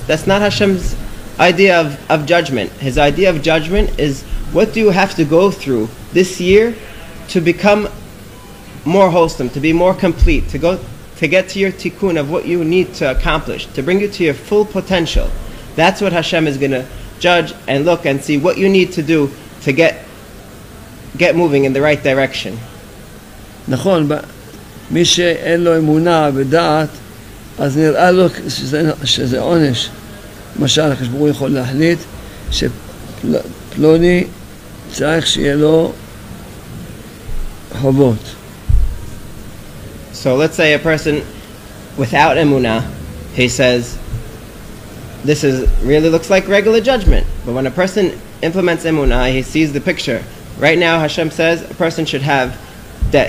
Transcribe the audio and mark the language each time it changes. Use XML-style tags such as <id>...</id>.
<en>That's not Hashem's idea of judgment. His idea of judgment is, what do you have to go through this year to become more wholesome, to be more complete, to get to your tikkun of what you need to accomplish, to bring you to your full potential? That's what Hashem is going to judge and look and see what you need to do to get moving in the right direction.</en> <he>נכון,</he> <en>but</en> <he>מי שאין לו אמונה ודעת, אז נראה לו שזה עונש. למשל, כשבור יכול להחליט שפלוני צריך שיהיה לו חובות.</he> <en>So let's say a person without emuna, he says, this is really looks like regular judgment. But when a person implements emuna, he sees the picture. Right now, Hashem says, a person should have debt.</en>